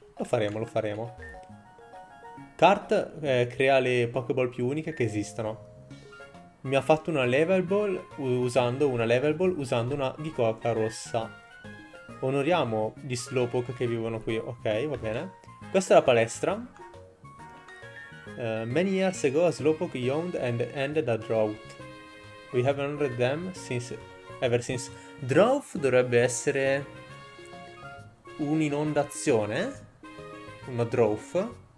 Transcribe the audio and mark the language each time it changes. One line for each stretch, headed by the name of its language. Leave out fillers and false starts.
Italian: Lo faremo, lo faremo. Kart crea le Pokéball più uniche che esistono. Mi ha fatto una Level Ball usando una Gicocca rossa. Onoriamo gli Slowpoke che vivono qui. Ok, va bene. Questa è la palestra.
English: Many years ago, a Slowpoke yawned and ended a drought. We have honored them ever since.
Italian: Drought dovrebbe essere un'inondazione. Una drought.